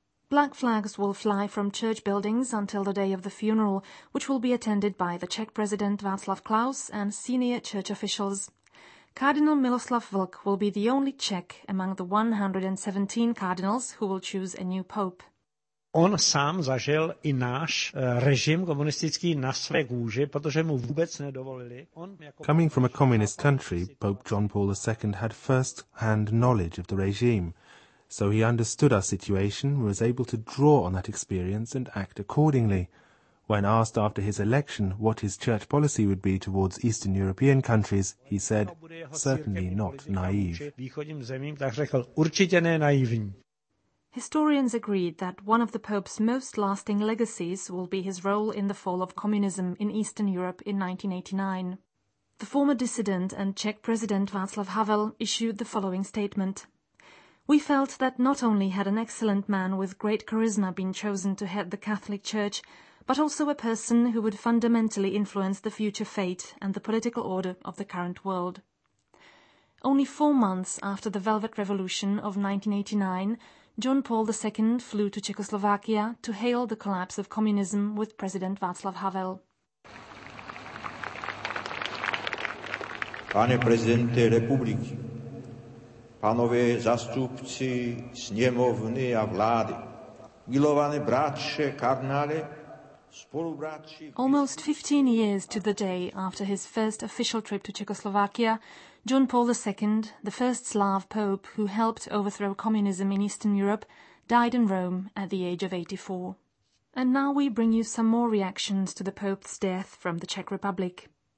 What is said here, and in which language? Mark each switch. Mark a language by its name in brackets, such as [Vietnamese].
[English] Black flags will fly from church buildings until the day of the funeral, which will be attended by the Czech President Václav Klaus and senior church officials. Cardinal Miloslav Vlk will be the only Czech among the 117 cardinals who will choose a new pope. [Czech] On sám zažil i náš režim komunistický na své kůži, protože mu vůbec nedovolili. [English] Coming from a communist country, Pope John Paul II had first-hand knowledge of the regime, so he understood our situation, was able to draw on that experience and act accordingly. When asked after his election what his church policy would be towards Eastern European countries, he said, certainly not naive. [Czech] Východním zemím, tak řekl, určitě ne naivní. [English] Historians agreed that one of the Pope's most lasting legacies will be his role in the fall of communism in Eastern Europe in 1989. The former dissident and Czech president Václav Havel issued the following statement. We felt that not only had an excellent man with great charisma been chosen to head the Catholic Church, but also a person who would fundamentally influence the future fate and the political order of the current world. Only 4 months after the Velvet Revolution of 1989, John Paul II flew to Czechoslovakia to hail the collapse of communism with President Václav Havel. [Czech] Pane prezidente republiky, panové zástupci sněmovny a vlády, milované bratře kardinále, spolubratři... [English] Almost 15 years to the day after his first official trip to Czechoslovakia, John Paul II, the first Slav pope who helped overthrow communism in Eastern Europe, died in Rome at the age of 84. And now we bring you some more reactions to the pope's death from the Czech Republic.